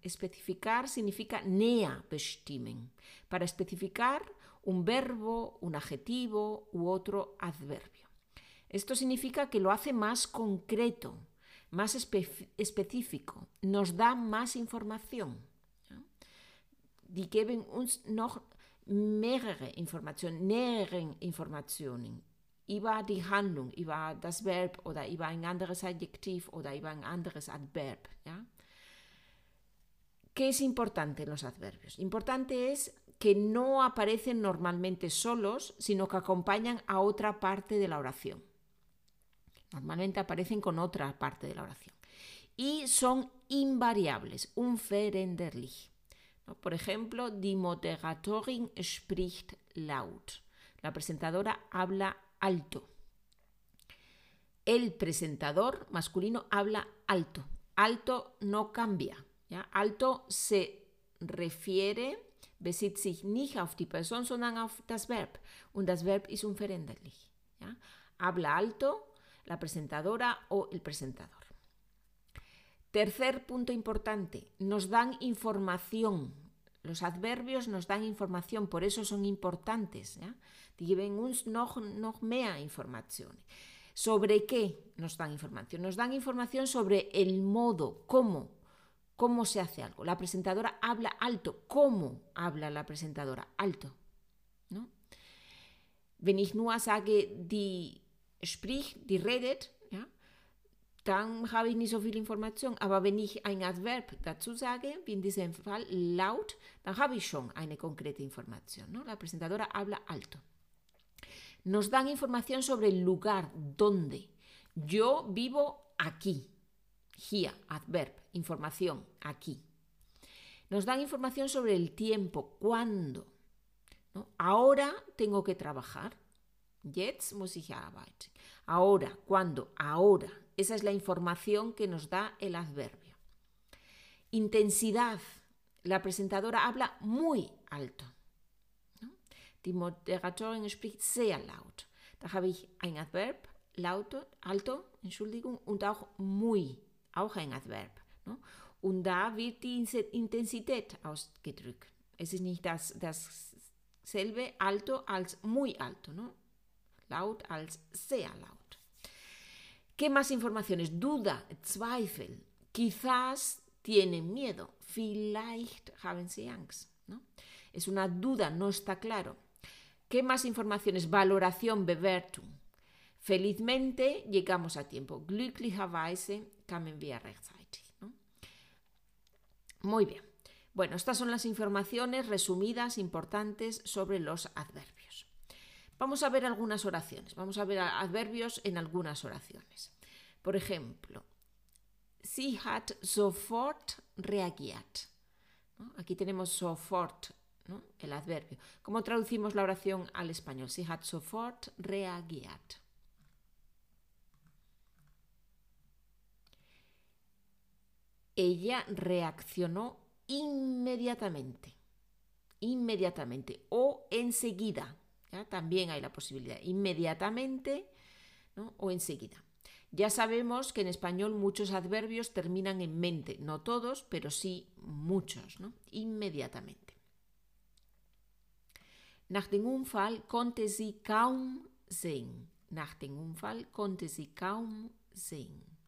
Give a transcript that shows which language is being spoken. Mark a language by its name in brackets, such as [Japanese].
[Spanish] Especificar significa [German] näher bestimmen. [Spanish] Para especificar un verbo, un adjetivo u otro adverbio. Esto significa que lo hace más concreto, más específico. Nos da más información. [German] Die geben uns noch mehrere Informationen, näheren Informationen über die Handlung, über das Verb oder über ein anderes Adjektiv oder über ein anderes Adverb. [Spanish] ¿Ya? ¿Qué es importante en los adverbios? Importante es que no aparecen normalmente solos, sino que acompañan a otra parte de la oración. Normalmente aparecen con otra parte de la oración. Y son invariables, unveränderlich. Por ejemplo, [German] die Moderatorin spricht laut. [Spanish] La presentadora habla alto. El presentador masculino habla alto. Alto no cambia, ¿ya? Alto se refiere, [German] besitzt sich nicht auf die Person, sondern auf das Verb. Und das Verb ist unveränderlich, ¿ya? [Spanish] Habla alto la presentadora o el presentador. Tercer punto importante, nos dan información. Los adverbios nos dan información, por eso son importantes. ¿Ya? [German] Die geben uns noch mehr Informationen. [Spanish] ¿Sobre qué nos dan información? Nos dan información sobre el modo, cómo se hace algo. La presentadora habla alto. ¿Cómo habla la presentadora? Alto. ¿No? [German] Wenn ich nur sage, die spricht, die redet, dann habe ich nicht so viel Information. Aber wenn ich ein Adverb dazu sage, wie in diesem Fall laut, dann habe ich schon eine konkrete Information. [Spanish] ¿No? La presentadora habla alto. Nos dan información sobre el lugar, dónde. Yo vivo aquí. [English] Here, adverb, [Spanish] información, aquí. Nos dan información sobre el tiempo, cuándo. ¿No? Ahora tengo que trabajar. [German] Jetzt muss ich arbeiten. [Spanish] Ahora, cuándo, ahora. Esa es la información que nos da el adverbio. Intensidad. La presentadora habla muy alto. [German] Die Moderatorin spricht sehr laut. Da habe ich ein Adverb, lauto, alto, Entschuldigung, und auch muy, auch ein Adverb. ¿No? Und da wird die Intensität ausgedrückt. Es ist nicht dasselbe alto als [Spanish] muy alto. ¿No? [German] Laut als sehr laut. [Spanish] ¿Qué más informaciones? Duda, Zweifel. Quizás tienen miedo. [German] Vielleicht haben sie Angst, ¿no? [Spanish] Es una duda, no está claro. ¿Qué más informaciones? Valoración, Bewertung. Felizmente llegamos a tiempo. [German] Glücklicherweise kamen wir rechtzeitig, ¿no? [Spanish] Muy bien. Bueno, estas son las informaciones resumidas, importantes sobre los adverbios. Vamos a ver algunas oraciones. Vamos a ver adverbios en algunas oraciones. Por ejemplo, [German] sie hat sofort reagiert. ¿No? [Spanish] Aquí tenemos sofort, ¿no? El adverbio. ¿Cómo traducimos la oración al español? [German] Sie hat sofort reagiert. [Spanish] Ella reaccionó inmediatamente. Inmediatamente o enseguida. ¿Ya? También hay la posibilidad. Inmediatamente, ¿no? O enseguida. Ya sabemos que en español muchos adverbios terminan en mente, no todos, pero sí muchos, ¿no? Inmediatamente. [German] Nach dem Unfall konnte sie kaum sehen. Nach dem Unfall konnte sie kaum sehen.